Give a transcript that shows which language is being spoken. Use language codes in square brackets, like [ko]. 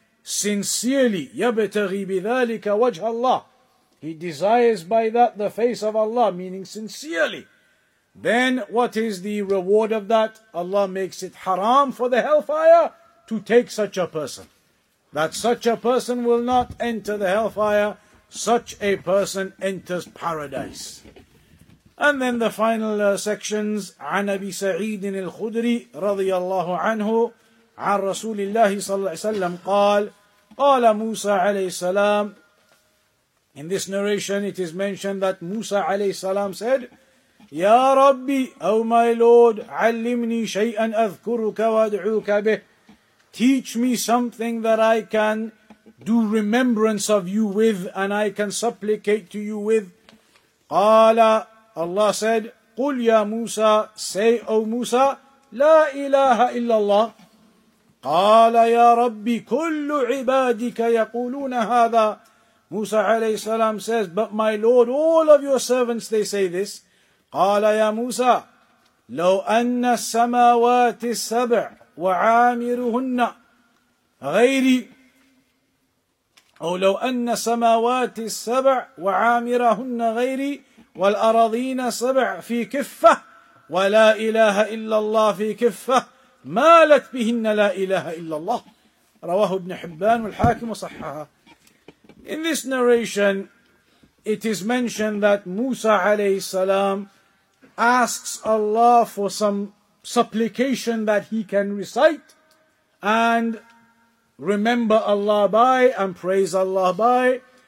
[en] sincerely, [ar] يَبْتَغِي بِذَٰلِكَ وَجْهَ اللَّهِ, [en] he desires by that the face of Allah, meaning sincerely, then what is the reward of that? Allah makes it haram for the hellfire to take such a person. That such a person will not enter the hellfire, such a person enters paradise. And then the final sections, [ar] عن أبي سعيد الخدري رضي الله عنه عن رسول الله صلى الله عليه وسلم قال قال موسى عليه السلام. [en] In this narration it is mentioned that Musa عليه السلام said, [ar] يا ربي, [en] oh my Lord, [ar] علمني شيئا أذكرك وأدعوك به, [en] teach me something that I can do remembrance of you with and I can supplicate to you with. [ar] قال, [en] Allah said, [ar] قُلْ يَا مُوسَى, [en] say, O Musa, [ar] لَا إِلَهَ إِلَّا اللَّهِ. قَالَ يَا رَبِّ كُلُّ عِبَادِكَ يَقُولُونَ هَذَا. [en] Musa alayhi salam says, but my Lord, all of your servants, they say this. [ar] قَالَ يَا مُوسَى, لَوْ أَنَّ السَّمَاوَاتِ السَّبْعِ وَعَامِرُهُنَّ غَيْرِي, أو لَوْ أَنَّ السَّمَاوَاتِ السَّبْعِ وَعَامِرَهُنَّ غَيْرِي والأراضين سبع في كفة ولا إله إلا الله في كفة مالت بهن لا إله إلا الله. رواه ابن حبان والحاكم وصححه. [en] In this narration, it is mentioned that Musa عليه السلام asks Allah for some supplication that he can recite and remember Allah by and praise Allah by.